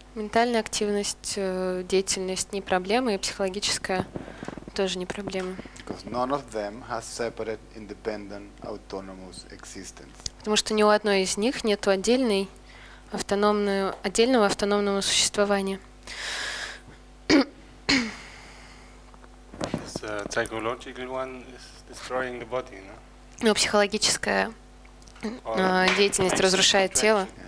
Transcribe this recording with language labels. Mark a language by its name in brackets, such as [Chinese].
[Russian] Ментальная активность, деятельность не проблема, и психологическая тоже не проблема. [English] Because none of them has separate, independent, autonomous existence. [Russian] Потому что ни у одной из них нету отдельного автономного существования. [English] This psychological one is destroying the body, no? [Russian] Но психологическая деятельность разрушает тело.